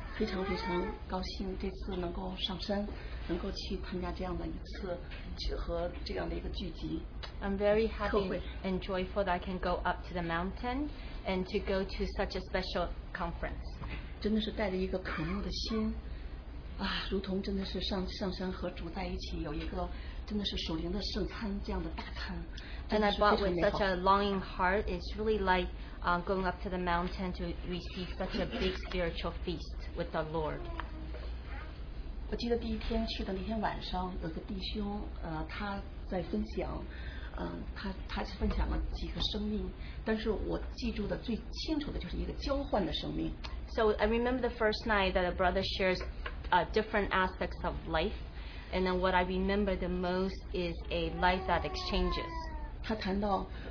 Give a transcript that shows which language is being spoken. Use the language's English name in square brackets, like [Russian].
[Chinese] 非常非常高兴这次能够上山，能够去参加这样的一次和这样的一个聚集。 [English] I'm very happy and joyful that I can go up to the mountain and to go to such a special conference. [Chinese] 真的是带着一个渴慕的心，啊，如同真的是上上山和主在一起，有一个真的是属灵的圣餐这样的大餐。 [English] And I bought with such a longing heart. It's really like going up to the mountain to receive such a big spiritual feast with the Lord. [Chinese] 我记得第一天去的那天晚上，有个弟兄，他在分享，他分享了几个生命，但是我记住的最清楚的就是一个交换的生命。 [English] So I remember the first night that a brother shares different aspects of life, and then what I remember the most is a life that exchanges.